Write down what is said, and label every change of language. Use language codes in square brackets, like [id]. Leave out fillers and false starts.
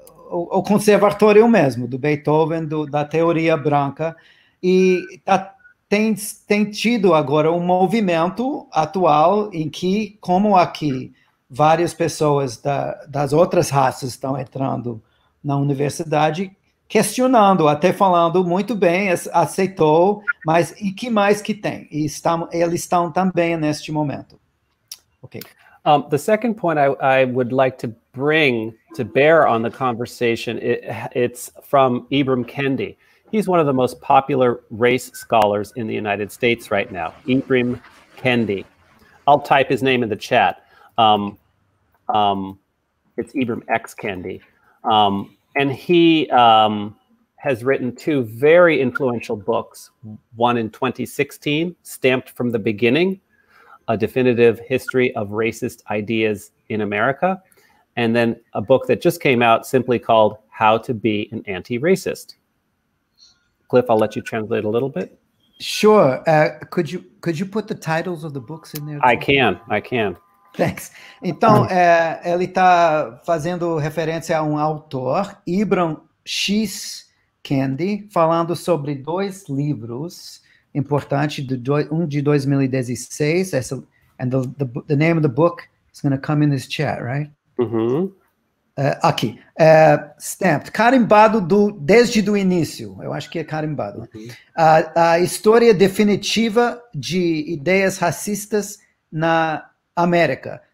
[pt] o conservatório mesmo, do Beethoven, da teoria branca, e tem tido agora um movimento atual em que, como aqui, várias pessoas das outras raças estão entrando na universidade, questionando, até falando muito bem, aceitou, mas e que mais que tem? E eles estão também neste momento. Ok. [en] The second point I would like to bring to bear on the conversation, it's from Ibram Kendi. He's one of the most popular race scholars in the United States right now, Ibram Kendi. I'll type his name in the chat. It's Ibram X. Kendi. And he has written two very influential books, one in 2016, Stamped from the Beginning, A Definitive History of Racist Ideas in America, and then a book that just came out simply called How to Be an Anti-Racist. Cliff, I'll let you translate a little bit. Sure. Could you put the titles of the books in there? I can. Thanks. [pt] Então, ele está fazendo referência a autor, Ibram X. Kendi, falando sobre dois livros importantes, de 2016. [en] And the name of the book is going to come in this chat, right? Uhum. [pt] Aqui, Stamped, carimbado desde o início, eu acho que é carimbado. A história definitiva de ideias racistas na América.